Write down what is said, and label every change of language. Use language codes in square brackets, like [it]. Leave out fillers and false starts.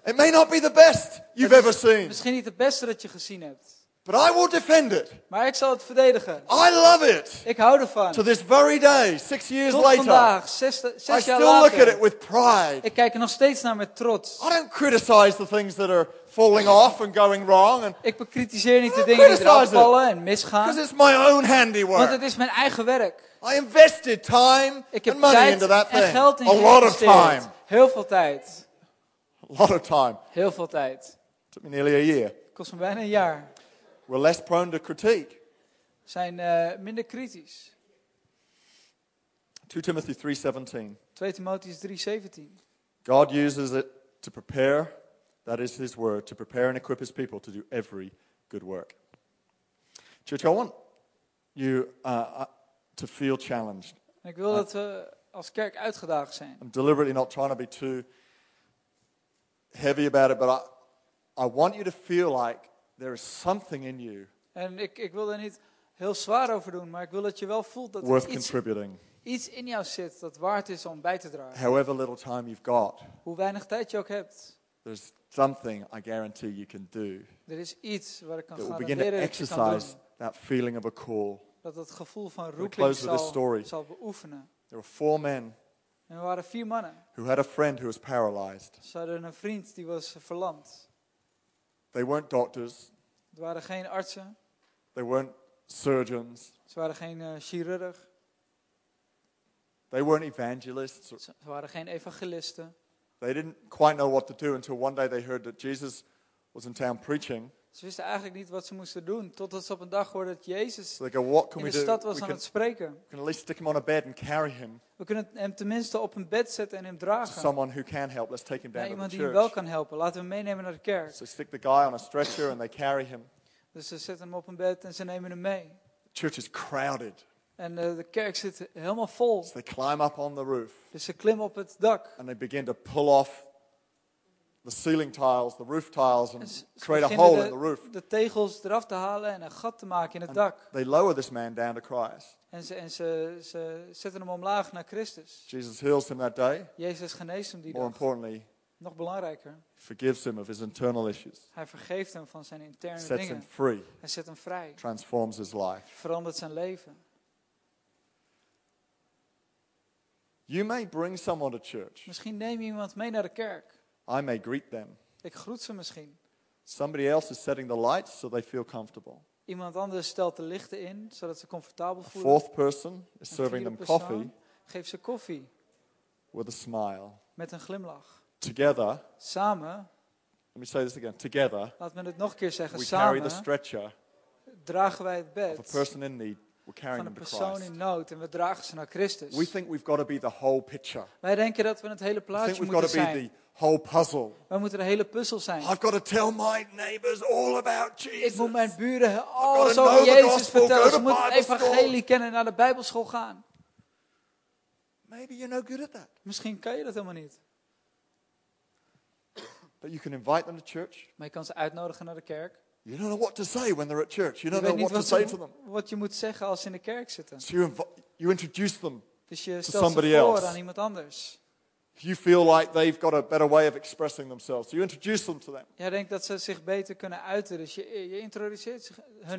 [en] It may not be the best you've ever seen. [nl] Misschien niet het beste dat je gezien hebt. [en] But I will defend it. [nl] Maar ik zal het verdedigen. [en] I love it. [nl] Ik hou ervan. [en] To this very day, 6 years [nl] tot [en] later. [nl] Vandaag, zes jaar later. [en] I still look at it with pride. [nl] Ik kijk er nog steeds naar met trots. [en] I don't criticize the things that are falling off and going wrong. And [nl] ik bekritiseer niet de dingen die eraf vallen en misgaan. [en] Because it's my own handiwork. [nl] Want het is mijn eigen werk. [en] I invested time and money into that thing. [nl] Ik heb tijd en geld in geïnvesteerd. [en] A lot of time. [nl] Heel veel tijd. [en] A lot of time. [nl] Heel veel tijd. [en] Took me nearly a year. [nl] Kost me bijna een jaar. [en] We're less prone to critique. [nl] Zijn minder kritisch. [en] 2 Timothy 3:17. [nl] 2 Timotheus 3:17. [en] God uses it to prepare, that is his word, to prepare and equip his people to do every good work. Church, I want you to feel challenged. [nl] Ik wil dat we als kerk uitgedaagd zijn. [en] I'm deliberately not trying to be too heavy about it, but I want you to feel like there is something in you. [nl] En ik wil er niet heel zwaar over doen, maar ik wil dat je wel voelt dat [en] worth [nl] er iets in jou zit dat waard is om bij te dragen. [en] However little time you've got. [nl] Hoe weinig tijd je ook hebt. [en] There's something I guarantee you can do. [nl] Er is iets wat ik kan garanderen. [en] Begin to exercise [nl] dat je kan doen. [en] That feeling of a call. [nl] Dat het gevoel van roeping zal beoefenen. [en] There were 4 men. [nl] En er waren 4 mannen. [en] Who had a friend who was paralyzed. [nl] Ze hadden een vriend die was verlamd. [en] They weren't doctors. [nl] Ze waren geen artsen. [en] They weren't surgeons. [nl] Ze waren geen chirurg. [en] They weren't evangelists. [nl] Ze waren geen evangelisten. [en] They didn't quite know what to do until one day they heard that Jesus was in town preaching. [nl] Ze wisten eigenlijk niet wat ze moesten doen totdat ze op een dag hoorden dat Jezus in de stad was aan het spreken. [en] We can at least stick him on a bed and carry him. [nl] We kunnen hem tenminste op een bed zetten en hem dragen. [en] To someone who can help, let's take him down [nl] naar [en] to the church. [nl] Iemand die hem wel kan helpen, laten we hem meenemen naar de kerk. [en] So stick the guy on a stretcher and they carry him. [nl] Dus ze zetten hem op een bed en ze nemen hem mee. [en] The church is crowded. [nl] En de kerk zit helemaal vol. [en] So they climb up on the roof. [nl] Dus ze klimmen op het dak. [en] And they begin to pull off the ceiling tiles, the roof tiles, and create a hole in the roof. [nl] De tegels eraf te halen en een gat te maken in het dak. [en] They lower this man down to Christ. [nl] En ze zetten hem omlaag naar Christus. [en] Jesus heals him that day. [nl] Jezus geneest hem die dag. [en] More importantly, [nl] nog belangrijker, [en] forgives him of his internal issues. [nl] Hij vergeeft hem van zijn interne [en] sets [nl] dingen. [en] Sets him free. [nl] Hij zet hem vrij. [en] Transforms his life. [nl] Verandert zijn leven. [en] You may bring someone to church. [nl] Misschien neem je iemand mee naar de kerk. [en] I may greet them. [nl] Ik groet ze misschien. [en] Somebody else is setting the lights so they feel comfortable. [nl] Iemand anders stelt de lichten in zodat ze comfortabel voelen. [en] A fourth person is serving them coffee. [nl] Geef ze koffie. [en] With a smile. [nl] Met een glimlach. [en] Together. [nl] Samen. [en] Let me say this again. Together. [nl] Laat me het nog een keer zeggen. [en] We [nl] samen. [en] We carry the stretcher. [nl] Dragen wij het bed. [en] Of a person in need. We're carrying [nl] van een persoon in nood en we dragen ze naar Christus. [en] We think we've got to be the whole picture. [nl] Wij denken dat we het hele plaatje moeten zijn. [en] Whole puzzle. [nl] We moeten de hele puzzel zijn. [en] I've got to tell my neighbors all about Jesus. [nl] Ik moet mijn buren alles over Jezus vertellen. Ze moeten het evangelie kennen en naar de Bijbelschool gaan. [en] Maybe you're no good at that. [nl] Misschien kan je dat helemaal niet. [en] But you can invite them to church. [nl] Maar je kan ze uitnodigen naar de kerk. [en] You don't know what to say when they're at church. You don't know what to say to them. [nl] Wat je moet zeggen als ze in de kerk zitten. [en] So you introduce them. [nl] Dus je stelt ze voor aan iemand anders. [en] You feel like they've got a better way of expressing themselves. So you introduce them to them. [nl] Jij denkt dat ze zich beter kunnen uiten, dus je introduceert ze hun.